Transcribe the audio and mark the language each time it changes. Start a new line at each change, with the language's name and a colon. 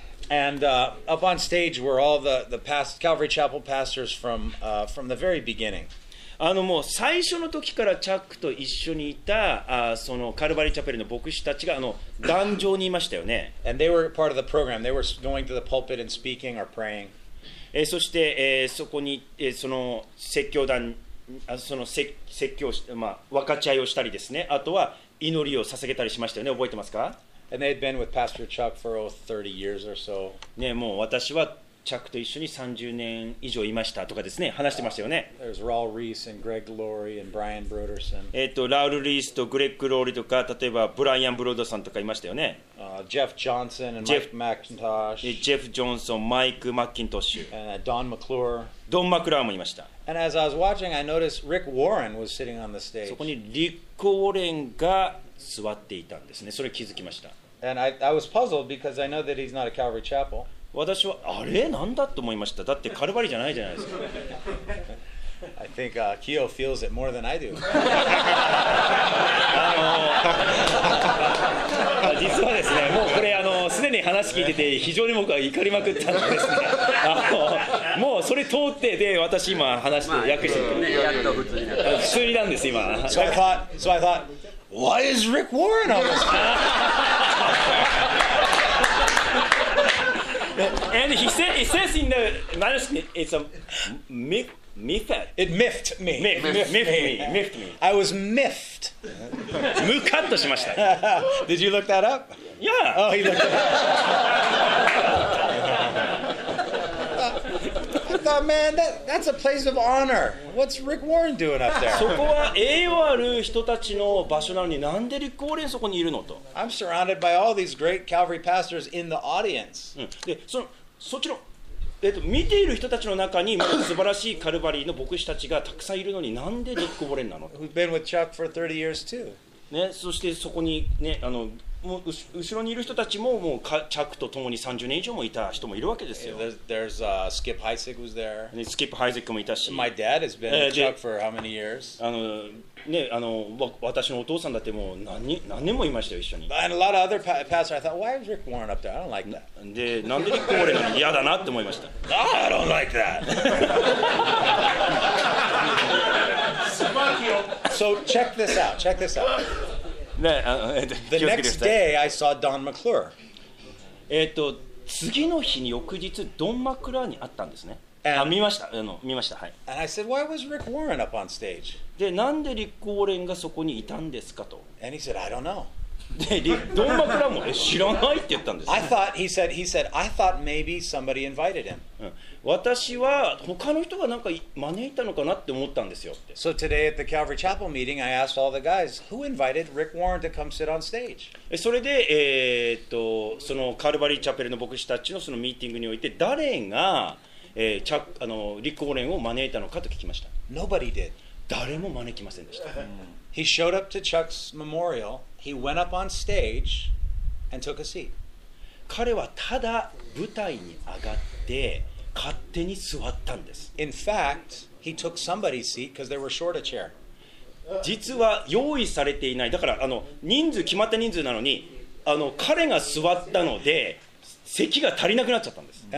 English: And up on stage were all the past Calvary Chapel pastors from the very beginning.
Japanese: もう最初の時からチャックと一緒にいた、そのカルバリーチャペルの牧師たちが壇上にいましたよね。
English: And they were part of the program. They were going to the pulpit and speaking or praying.
Japanese: そして、そこに、その説教団、その説教、まあ、分かち合いをしたりですね、あとは祈りを捧げたりしましたよね、覚えてますか?
English: And they'd been with Pastor Chuck for oh, 30 years or so.
Japanese: ね、もう私はチャックと一緒に30年以上いましたとかですね、話してましたよね。
English: There's Raul Reese and Greg Laurie and Brian Broderson.
Japanese: ラウル・リースとグレッグ・ローリーとか、例えばブライアン・ブロードさんとかいましたよね。
English: Jeff Johnson and Mike McIntosh.
Japanese: Jeff Johnson, Mike McIntosh.
English: And Don McClure.
Japanese: Don McClure もいました。
English: And as I was watching, I noticed Rick Warren was sitting on the stage.
Japanese: そこにリック・ウォレンが座っていたんですね。それ気づきました。
English: And I was puzzled because I know that he's not a Calvary Chapel.
Japanese: 私はあれなんだと思いました。だってカルバリじゃないじゃないですか。
English: I think Kyo feels it more than I do.
Japanese: 実はですね、もうこれすでに話聞いてて非常に僕は怒りまくったんですね。もうそれ通ってで私今話して訳してる。やっと普通になった。普通になんです今。
English: So I thought. So I thought. Why is Rick Warren on this panel? And he said, it says in the manuscript, it's a miffed. It miffed me. Miffed me. I was miffed.
Japanese: ムカッとしました。
English: Did you look that up? Yeah. Oh, he looked it up. Oh, man, that's a place of honor. What's Rick Warren doing up there?
Japanese: そこは栄誉ある人たちの場所なのに、なんでリック・ウォーレンそこにいるのと。
English: I'm surrounded by all these great Calvary pastors in the audience.
Japanese: で、そちら、見ている人たちの中に素晴らしいカルバリーの牧師たちがたくさんいるのに、なんでリック・ウォーレンなの。
English: We've been with Chuck for 30 years too.
Japanese: ね、そしてそこにね、もう後ろにいる人たちも、もうチャックと共に30年以上もいた人もいるわけですよ。
English: There's Skip Heisek was there.
Japanese: Skip Heisek もいたし。
English: My dad has been with Chuck for how many years?
Japanese: ね、私のお父さんだってもう 何年もいましたよ、一緒に。
English: And a lot of other pastors, I thought, why is Rick Warren up there? I don't like that.
Japanese: で、なんでリック・ウォーレン嫌だなって思いました。
English: Oh, I don't like that! So check this out.
Japanese: ね、
English: The next day, I saw Don McClure.
Japanese: 次の日に翌日、ドン・マクラーに会ったんですね。 And、見ました。見ました。はい。
English: And I said, why was Rick Warren up on stage?
Japanese: で、なんでリック・ウォーレンがそこにいたんですかと。
English: And he said, I don't know.
Japanese: で、ドン・マクラーも、知らないって言ったんです。
English: I thought, he said, I thought maybe somebody invited him.
Japanese: 私は他の人がなんか招いたのかなって思ったんですよって。
English: So today at the Calvary Chapel meeting, I asked all the guys, who invited Rick Warren to come sit on stage?
Japanese: それで、そのカルバリーチャペルの牧師たちのそのミーティングにおいて、誰が、リック・ウォーレンを招いたのかと聞きました。
English: Nobody did.
Japanese: 誰も招きませんでした。
English: He showed up to Chuck's memorial, he went up on stage and took a seat.
Japanese: 彼はただ舞台に上がって、勝手に座ったんです。
English: In fact, he took somebody's seat because they were short a chair.
Japanese: 実は用意されていない。だから人数決まった人数なのに彼が座ったので席が足りなくなっちゃったんです。